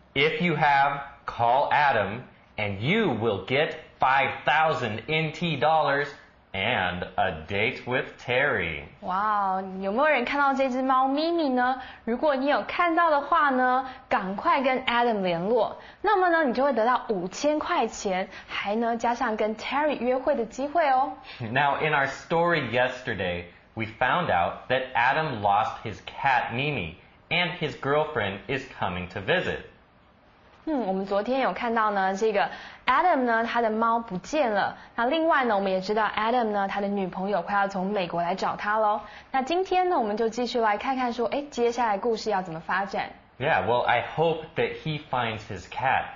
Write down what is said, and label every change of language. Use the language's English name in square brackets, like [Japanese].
[English] If you have, call Adam and you will get 5,000 NT dollars and a date with Terry. [Chinese] Wow, 有没有人看到这只猫咪咪呢？如果你有看到的话呢，赶快跟 Adam 联络，那么呢，你就会得到5000块钱，还呢加上跟 Terry 约会的机会哦。 [English] Now in our story yesterday, we found out that Adam lost his cat Mimi. And his girlfriend is coming to visit. [Chinese] 我们昨天有看到呢，这个 Adam 呢，他的猫不见了。那另外呢，我们也知道 Adam 呢，他的女朋友快要从美国来找他喽。那今天呢，我们就继续来看看说，哎，接下来故事要怎么发展 [English] ？Yeah, well, I hope that he finds his cat.